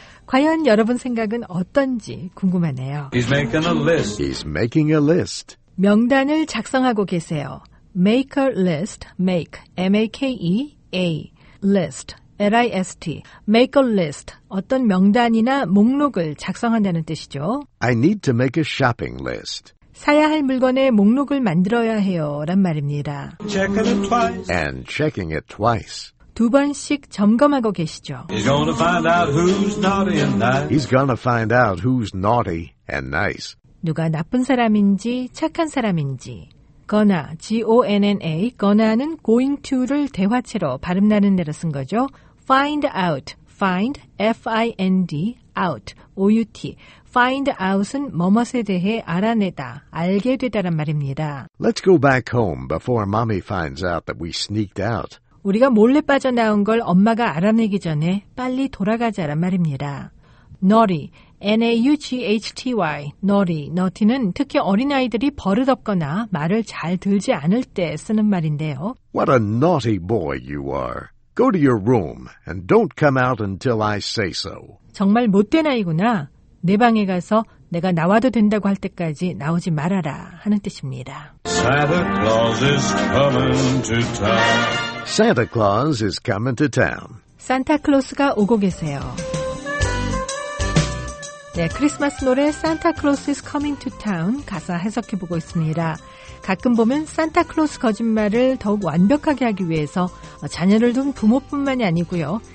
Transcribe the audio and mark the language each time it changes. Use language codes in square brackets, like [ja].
[ko] 과연 여러분 생각은 어떤지 궁금하네요. [en] He's making a list. He's making a list. [ko] 명단을 작성하고 계세요. [en] Make a list. Make. M-A-K-E. A. List. L-I-S-T. Make a list. [ko] 어떤 명단이나 목록을 작성한다는 뜻이죠. [en] I need to make a shopping list. [ko] 사야 할 물건의 목록을 만들어야 해요. 란 말입니다. [en] Checking it twice. And checking it twice. [ko] 두 번씩 점검하고 계시죠. [en] He's gonna find out who's naughty and nice. He's gonna find out who's naughty and nice. [ko] 누가 나쁜 사람인지 착한 사람인지. gonna, G-O-N-N-A, gonna는 going to를 대화체로 발음나는 대로 쓴 거죠. [en] find out, find, F-I-N-D, out, O-U-T. [ko] find out은 뭐뭐에 대해 알아내다, 알게 되다란 말입니다. [en] Let's go back home before mommy finds out that we sneaked out. [ko] 우리가 몰래 빠져나온 걸 엄마가 알아내기 전에 빨리 돌아가자란 말입니다. naughty, N-A-U-G-H-T-Y, naughty, naughty는 특히 어린아이들이 버릇없거나 말을 잘 들지 않을 때 쓰는 말인데요. [en] What a naughty boy you are. Go to your room and don't come out until I say so. [ko] 정말 못된 아이구나. 내 방에 가서 내가 나와도 된다고 할 때까지 나오지 말아라 하는 뜻입니다. [en] Santa Claus is coming to town. Santa Claus is coming to town. [ko] 산타클로스가 오고 계세요. 네, 크리스마스 노래 Santa Claus is coming to town 가사 해석해 보고 있습니다. 가끔 보면 산타클로스 거짓말을 더욱 완벽하게 하기 위해서 자녀를 둔 부모뿐만이 아니고요.